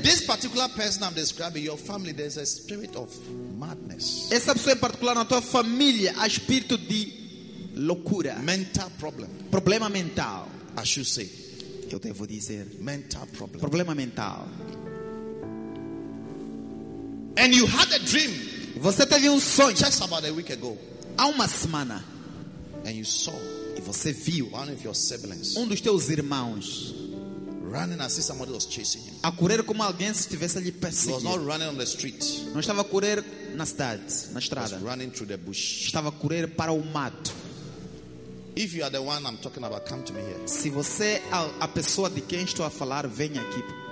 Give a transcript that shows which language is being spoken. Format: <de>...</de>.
<en>this particular person I'm describing, your family, there's a spirit of madness.</en> <pt>Essa pessoa em particular na tua família há espírito de loucura.</pt> <en>Mental problem.</en> <pt>Problema mental.</pt> <en>I should say.</en> <pt>Eu devo dizer.</pt> <en>Mental problem.</en> <pt>Problema mental.</pt> <en>And you had a dream.</en> <pt>Você teve sonho.</pt> <en>Just about a week ago.</en> <pt>Há semana.</pt> <en>And you saw.</en> <pt>E você viu.</pt> <en>One of your siblings.</en> <pt>Dos teus irmãos.</pt> <en>Running as if somebody was chasing him.</en> <pt>A correr como alguém estivesse lhe perseguindo.</pt> <en>He was not running on the street.</en> <pt>Não estava a correr na cidade, na estrada.</pt> <en>He was running through the bush.</en> <pt>Estava a correr para o mato.</pt> <en>If you are the one I'm talking about, come to me here.</en> <pt>Se você é a pessoa de quem estou a falar, venha aqui.</pt>